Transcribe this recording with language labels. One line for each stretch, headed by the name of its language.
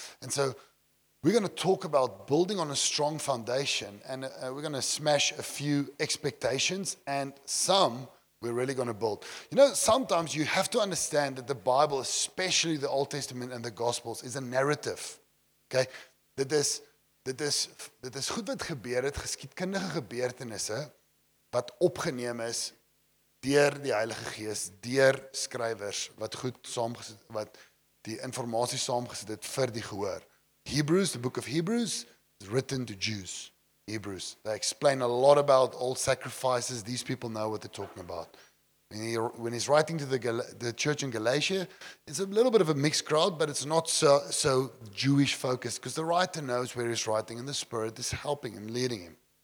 English: And so we're going to talk about building on a strong foundation, and we're going to smash a few expectations, and some we're really going to build. You know, sometimes you have to understand that the Bible, especially the Old Testament and the Gospels, is a narrative, okay?
Afrikaans: Dit is goed wat gebeur het, geskiedkundige gebeurtenisse wat opgeneem is deur die Heilige Gees, deur skrywers wat goed saamgesit, wat die informatie saamgesit het vir die gehoor.
English: Hebrews, the book of Hebrews, is written to Jews. Hebrews, they explain a lot about old sacrifices. These people know what they're talking about. When he's writing to the church in Galatia, it's a little bit of a mixed crowd, but it's not so Jewish focused, because the writer knows where he's writing, and the Spirit is helping him, leading him.